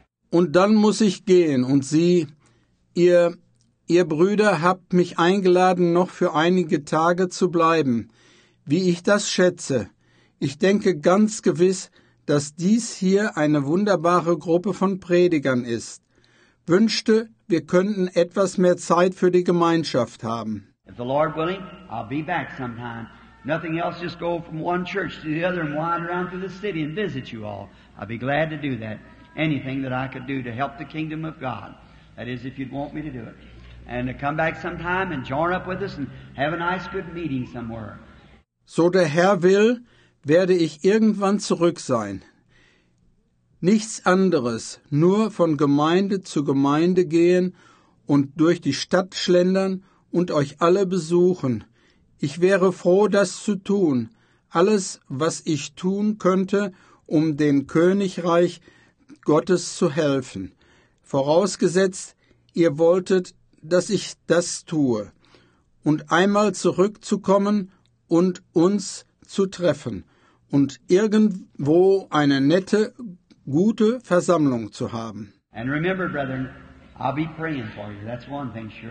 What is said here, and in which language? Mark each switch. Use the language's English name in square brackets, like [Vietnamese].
[German] Und dann muss ich gehen und Sie, ihr Brüder habt mich eingeladen, noch für einige Tage zu bleiben. Wie ich das schätze. Ich denke ganz gewiss, dass dies hier eine wunderbare Gruppe von Predigern ist. Wünschte, wir könnten etwas mehr Zeit für die Gemeinschaft haben. [English] If the Lord willing, I'll be back sometime. Nothing else, just go from one church to the other and wander around through the city and visit you all. I'd be glad to do that. Anything that I could do to help the kingdom of God. That is, if you'd want me to do it. And to come back sometime and join up with us and have a nice good meeting somewhere. [German] So der Herr will, werde ich irgendwann zurück sein. Nichts anderes, nur von Gemeinde zu Gemeinde gehen und durch die Stadt schlendern und euch alle besuchen. Ich wäre froh, das zu tun. Alles, was ich tun könnte, um dem Königreich Gottes zu helfen. Vorausgesetzt, ihr wolltet, dass ich das tue. Und einmal zurückzukommen und uns zu treffen und irgendwo eine nette, gute Versammlung zu haben. [English] And remember, brethren, I'll be praying for you. That's one thing, sure.